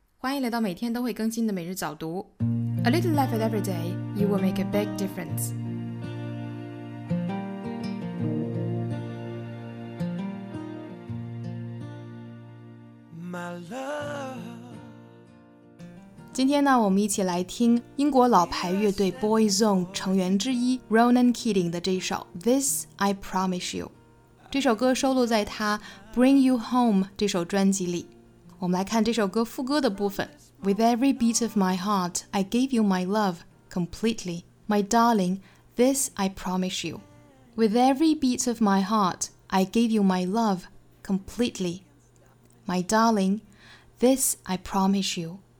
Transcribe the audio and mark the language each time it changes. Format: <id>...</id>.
<zh>欢迎来到每天都会更新的每日早读。</zh> <en>A little laugh at every day, you will make a big difference.</en> <zh>今天呢，我们一起来听英国老牌乐队 Boyzone 成员之一 Ronan Keating 的这一首 This I Promise You。这首歌收录在他 Bring You Home 这首专辑里。我们来看这首歌副歌的部分。</zh> <en>With every beat of my heart, I gave you my love completely. My darling, this I promise you. With every beat of my heart, I gave you my love completely. My darling, this I promise you.</en>